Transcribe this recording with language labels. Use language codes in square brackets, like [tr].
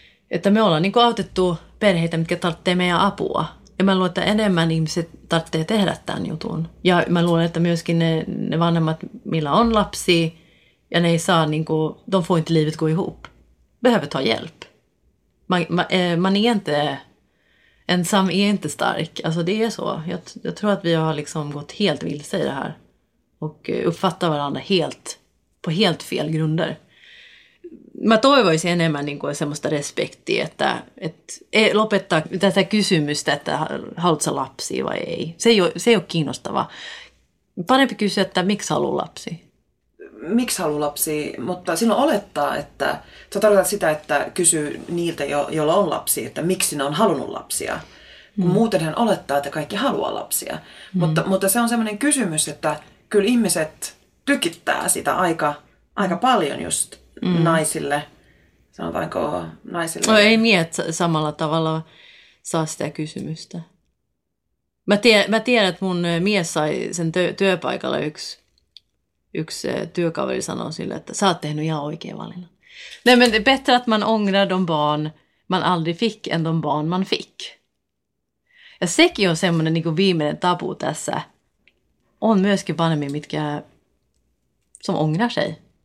[fi] Että me ollaan niin kuin autettu perheitä, mitkä tarvitsee meidän apua. Ja mä luulen, että enemmän ihmiset tarvitsee tehdä tämän jutun. Ja mä luulen, että myöskin ne vanhemmat, millä on lapsi, ja ne ei saa, niin kuin, [sv] de får inte livet gå ihop. Behöver ta hjälp. Man är inte, ensam är inte stark. Alltså det är så. Jag tror att vi har liksom gått helt vilse i det här. Och uppfattar varandra helt, på helt fel grunder. [fi] Mä toivoisin enemmän niin kuin semmoista respektiä, että lopettaa tätä kysymystä, että haluatko lapsia vai ei. Se ei ole kiinnostavaa. Parempi kysyä, että miksi haluaa lapsia? Miksi haluaa lapsia? Mutta sinun olettaa, että sä tarkoitat sitä, että kysyy niiltä, joilla on lapsia, että miksi ne on halunnut lapsia. Kun muuten hän olettaa, että kaikki haluaa lapsia. Mutta se on semmoinen kysymys, että kyllä ihmiset tykittää sitä aika paljon just. Naisille, sanotaanko naisille? No ei miet samalla tavalla saa sitä kysymystä. Mä tiedän, että mun mies sai sen työpaikalla yksi työkaveri sanoi sille, että sä oot tehnyt ihan oikein valinnan. [sv] Nej, men det är bättre att man ångrar de barn man aldrig fick än de barn man fick. [fi] Ja sekin on semmoinen niin kuin viimeinen tabu tässä. On myöskin vanhemmin, mitkä [sv] som ångrar sig.